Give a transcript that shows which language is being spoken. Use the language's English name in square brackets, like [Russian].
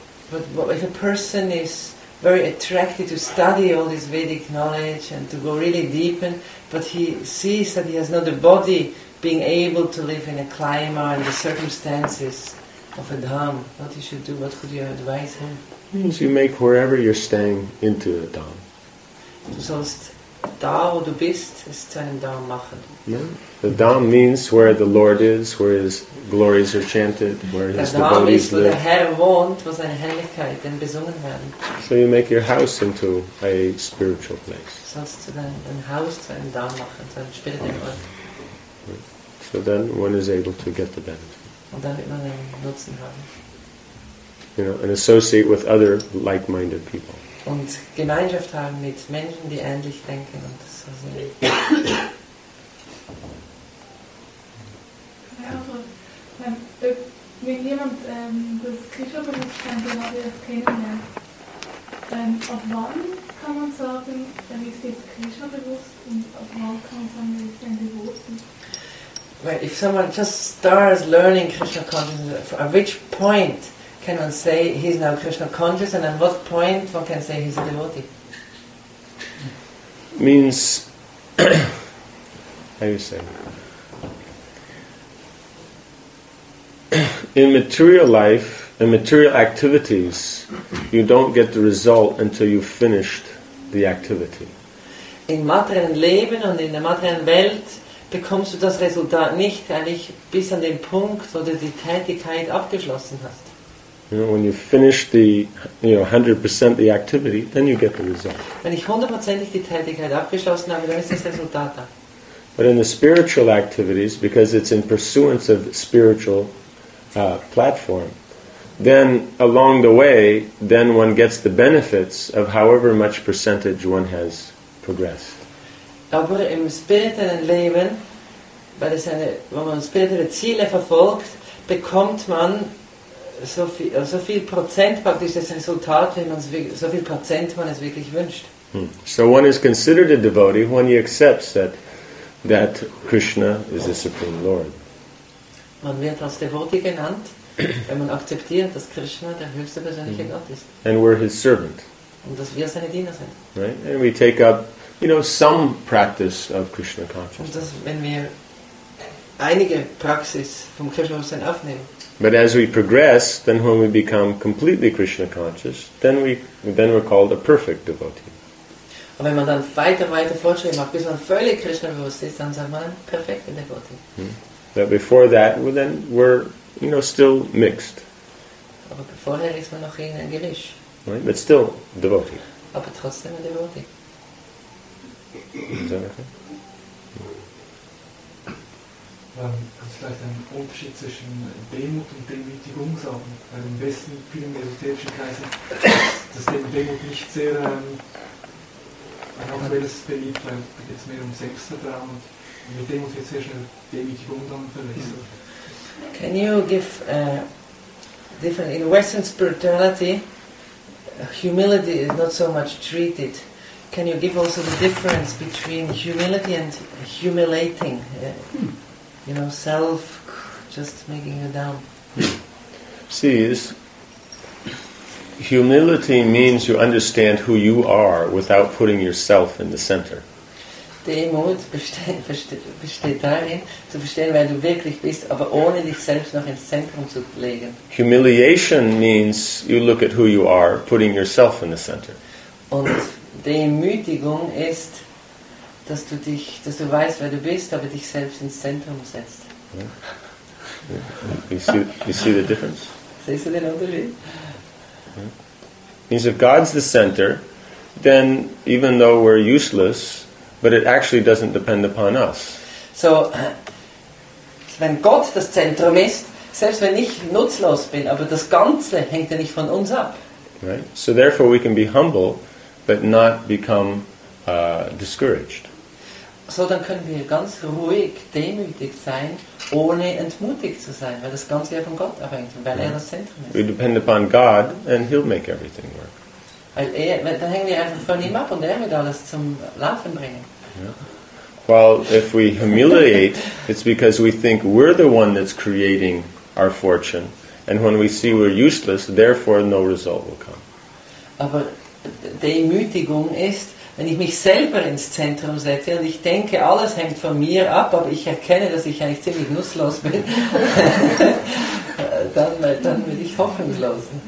[English] But what if a person is very attracted to study all this Vedic knowledge and to go really deep in, but he sees that he has not the body being able to live in a climate and the circumstances of a dham, what he should do? What could you advise him? Means you make wherever you're staying into a dham. [German] Du sollst da, wo du bist, es zu einem dham machen. [English] The dham means where the Lord is, where his glories are chanted, where his devotees live. [German] Der Herr wohnt, wo seine Herrlichkeit denn besungen werden. [English] So you make your house into a spiritual place. [German] Sollst du dein Haus zu einem dham machen, zu einem spirituellen Ort. [English] So then one is able to get the benefit. [German] Und dann wird man einen Nutzen haben. [English] You know, and associate with other like-minded people. [German] Und Gemeinschaft haben mit Menschen, die ähnlich denken und so sind. I also, wenn jemand das Krishna-Bewusstsein jetzt kennenlernt, dann auf wann kann man sagen, dann ist jetzt Krishna-bewusst und auf wann kann man sagen, ist ein Devoten? [English] Right, if someone just starts learning Krishna consciousness, at which point can one say he's now Krishna conscious, and at what point one can say he's a devotee? Means, how do you say? In material life, in material activities, you don't get the result until you've finished the activity. [German] In materiellen Leben und in der materiellen Welt bekommst du das Resultat nicht, weil ich bis an den Punkt, wo du die Tätigkeit abgeschlossen hast. [English] You know, when you finish the, you know, 100% the activity, then you get the result. [German] Wenn ich hundertprozentig die Tätigkeit abgeschlossen habe, dann ist das Resultat da. [English] But in the spiritual activities, because it's in pursuance of spiritual platform, then along the way, then one gets the benefits of however much percentage one has progressed. [German] Aber im spirituellen Leben, weil es eine, wenn man spirituelle Ziele verfolgt, bekommt man so viel Prozent praktisch das Resultat, wenn man so viel Prozent man es wirklich wünscht. Hmm. [English] So one is considered a devotee when he accepts that Krishna is the Supreme Lord. [German] Man wird als Devotee genannt, wenn man akzeptiert, dass Krishna der höchste persönliche Gott ist. [English] And we're his servant. [German] Und dass wir seine Diener sind. [English] Right? And we take up, you know, some practice of Krishna consciousness. [German] Und das, wenn wir einige Praxis vom Krishna-Bewusstsein aufnehmen. [English] But as we progress, then when we become completely Krishna conscious, then we're called a perfect devotee. [German] Und wenn man dann weiter Fortschritte macht, bis man völlig Krishna-bewusst ist, dann sagt man ein perfekter Devotee. [English] But before that, well, then we're, you know, still mixed. [German] Aber vorher ist man noch in ein Gemisch. [English] Right? But still devotee. [German] Aber trotzdem ein Devotee. [English] Is that okay? [German] Also vielleicht ein Unterschied zwischen Demut und Demütigung sagen. Weil im Westen vielen esoterischen Kreisen, dass Demut nicht sehr auch alles beliebt, weil es geht mehr um Selbstvertrauen und mit Demut wird sehr schnell Demütigung dann verwechselt. [English] Can you give different in Western spirituality humility is not so much treated? Can you give also the difference between humility and humiliating? You know, self just making you down. See, humility means you understand who you are without putting yourself in the center. [German] Demut besteht darin, zu verstehen, wer du wirklich bist, aber ohne dich selbst noch ins Zentrum zu legen. [English] Humiliation means you look at who you are, putting yourself in the center. [German] Und Demütigung ist, dass du weißt, wer du bist, aber dich selbst ins Zentrum setzt. [English] Yeah. You see the difference? [German] Siehst du den Unterschied? [English] Means if God's the center, then even though we're useless, but it actually doesn't depend upon us. [German] So, wenn Gott das Zentrum ist, selbst wenn ich nutzlos bin, aber das Ganze hängt ja nicht von uns ab. [English] Right. So therefore we can be humble, but not become discouraged. [German] So dann können wir ganz ruhig demütig sein, ohne entmutigt zu sein, weil das Ganze ja von Gott abhängt, weil er das Zentrum ist. [English] We depend upon God, and He'll make everything work. [German] Weil dann hängen wir einfach von ihm ab und er wird alles zum Laufen bringen. [English] Yeah. Well, if we humiliate, it's because we think we're the one that's creating our fortune, and when we see we're useless, therefore no result will come. [German] Aber Demütigung ist, wenn ich mich selber ins Zentrum setze und ich denke, alles hängt von mir ab, aber ich erkenne, dass ich eigentlich ziemlich nutzlos bin, dann bin ich hoffnungslos.